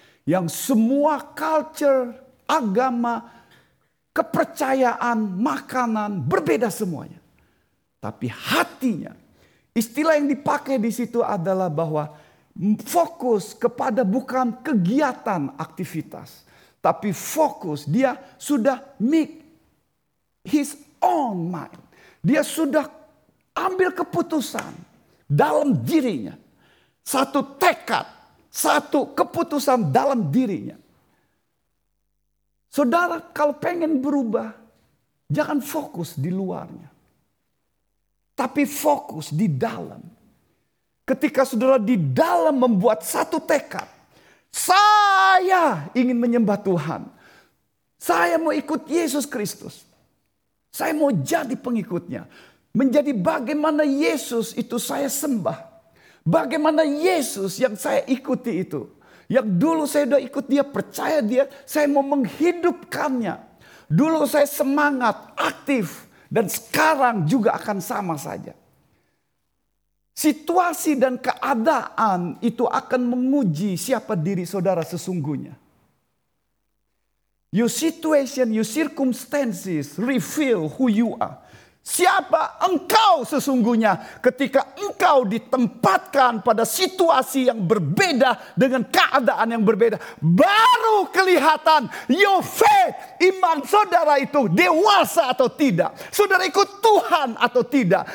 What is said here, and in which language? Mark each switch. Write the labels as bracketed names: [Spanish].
[Indonesian] Yang semua culture, agama, kepercayaan, makanan berbeda semuanya. Tapi hatinya, istilah yang dipakai di situ adalah bahwa fokus kepada bukan kegiatan aktivitas. Tapi fokus, dia sudah [English] make his own mind. [Indonesian] Dia sudah ambil keputusan dalam dirinya. Satu tekad, satu keputusan dalam dirinya. Saudara, kalau pengen berubah, jangan fokus di luarnya. Tapi fokus di dalam. Ketika saudara di dalam membuat satu tekad. Saya ingin menyembah Tuhan. Saya mau ikut Yesus Kristus. Saya mau jadi pengikutnya. Menjadi bagaimana Yesus itu saya sembah. Bagaimana Yesus yang saya ikuti itu. Yang dulu saya sudah ikut dia, percaya dia. Saya mau menghidupkannya. Dulu saya semangat, aktif. Dan sekarang juga akan sama saja. Situasi dan keadaan itu akan menguji siapa diri saudara sesungguhnya. [English] Your situation, your circumstances reveal who you are. [Indonesian] Siapa engkau sesungguhnya ketika engkau ditempatkan pada situasi yang berbeda dengan keadaan yang berbeda. Baru kelihatan [English] your faith, [Indonesian] iman saudara itu dewasa atau tidak. Saudara ikut Tuhan atau tidak.